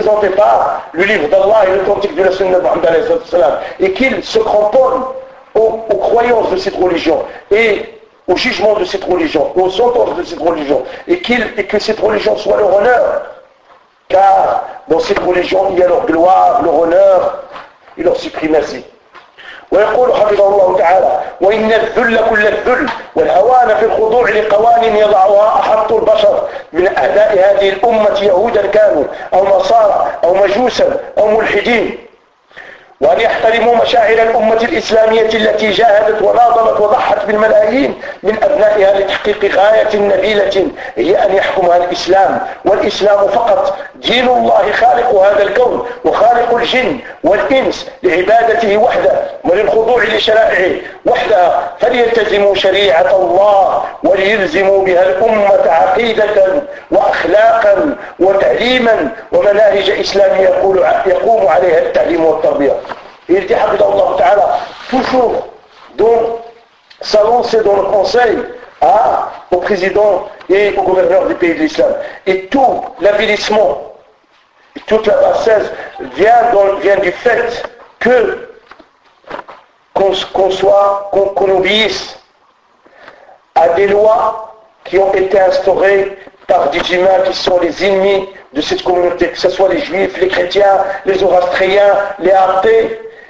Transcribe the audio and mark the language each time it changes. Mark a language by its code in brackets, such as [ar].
[fr] par le livre d'Allah et le cantique de la Sunna de Mohammed, et qu'il se cramponne aux croyances de cette religion et au jugement de cette religion, aux sentences de cette religion, et que cette religion soit leur honneur, car dans cette religion il y a leur gloire, leur honneur et leur suprématie. [ar] ويقول حفظه الله تعالى: وإن الذل كل الذل والهوان في الخضوع لقوانين يضعها أحط البشر من أعداء هذه الأمة يهودا كانوا أو نصارى أو مجوسا أو ملحدين. وأن يحترموا مشاعر الأمة الإسلامية التي جاهدت وناضلت وضحت بالملايين من أبنائها لتحقيق غاية نبيلة هي أن يحكمها الإسلام، والإسلام فقط دين الله خالق هذا الكون وخالق الجن والإنس لعبادته وحده وللخضوع لشرائعه وحده، فليلتزموا شريعة الله وليلزموا بها الأمة عقيدة وأخلاقا وتعليما ومناهج إسلامية يقوم عليها التعليم والتربية. [fr] Et il dit, Habibullah Ta'ala, toujours dans sa lancée dans le conseil au président et au gouverneur du pays de l'islam. Et tout l'avilissement, toute la bassesse vient du fait que qu'on obéisse à des lois qui ont été instaurées par des humains qui sont les ennemis de cette communauté, que ce soit les juifs, les chrétiens, les zoroastriens, les athées.